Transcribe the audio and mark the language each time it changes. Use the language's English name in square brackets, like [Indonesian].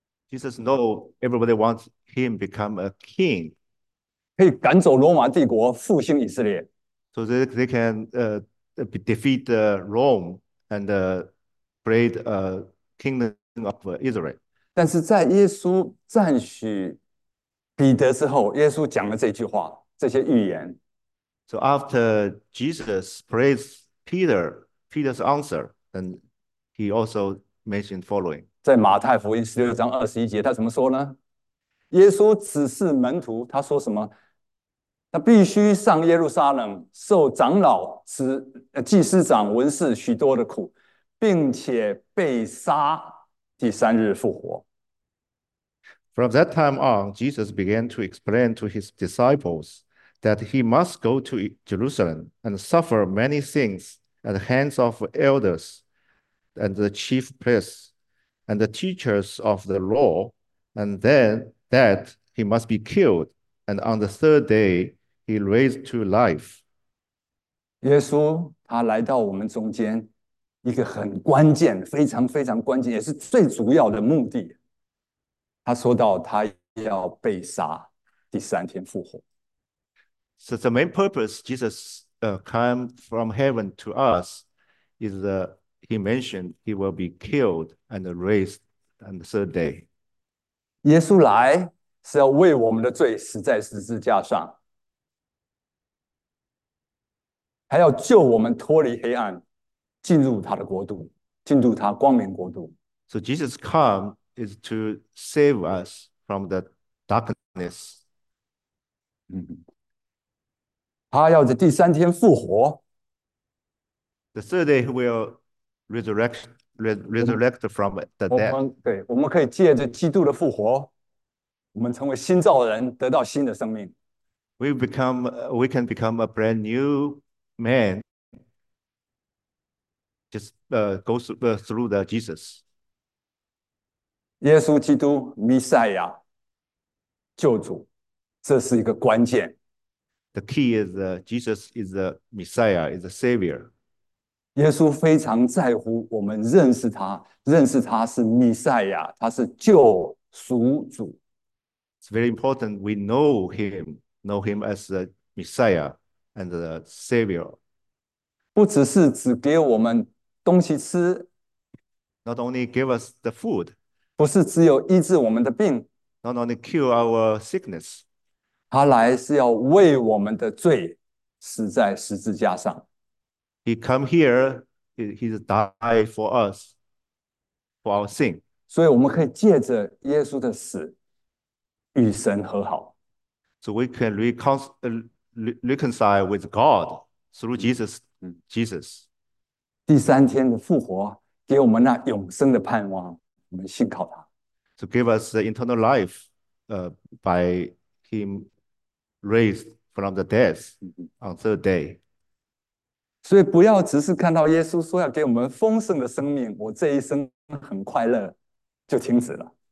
[English] Jesus know everybody wants him become a king. [Chinese] 可以赶走罗马帝国，复兴以色列。 [English] So they can defeat Rome and create a kingdom of Israel. [Chinese] 但是在耶稣赞许彼得之后，耶稣讲了这句话，这些预言。 [English] So after Jesus praised Peter's answer, then he also mentioned following. [Chinese] 在马太福音16章21节，他怎么说呢？耶稣指示门徒，他说什么？他必须上耶路撒冷，受长老、祭司长、文士许多的苦，并且被杀，第三日复活。 [English] From that time on, Jesus began to explain to his disciples that he must go to Jerusalem and suffer many things at the hands of elders and the chief priests and the teachers of the law, and then that he must be killed, and on the third day he raised to life. [Chinese] 耶稣他来到我们中间，一个很关键、非常非常关键，也是最主要的目的。他说到他要被杀，第三天复活。 [English] So the main purpose Jesus came from heaven to us is that he mentioned he will be killed and raised on the third day. [Chinese] 耶稣来是要为我们的罪死在十字架上。还要救我们脱离黑暗，进入他的国度，进入他光明国度。 [English] So Jesus come is to save us from the darkness. [Chinese] 他要在第三天复活。 [English] The third day he will resurrect from the dead. [Chinese] 我们可以借着基督的复活，我们成为新造人，得到新的生命。 [English] We can become a brand new man. Just go through the Jesus. [Chinese] 耶稣基督，弥赛亚，救主，这是一个关键。 [English] The key is Jesus is the Messiah, is the Savior. [Chinese] 耶稣非常在乎我们认识他，认识他是弥赛亚，他是救赎主。 [English] It's very important we know him as the Messiah and the Savior. [Chinese] 不只是只给我们东西吃。 [English] Not only give us the food, [Chinese] 不是只有医治我们的病， [English] not only cure our sickness. [Chinese] 他来是要为我们的罪死在十字架上。 [English] He come here, he die for us, for our sin. [Chinese] 所以我们可以借着耶稣的死与神和好。 [English] So we can reconcile with God through Jesus. [Chinese] 第三天的复活给我们那永生的盼望，我们信靠他。 [English] So give us the eternal life by him raised from the death on third day. [Chinese] 所以不要只是看到耶稣说要给我们丰盛的生命，我这一生很快乐，就停止了。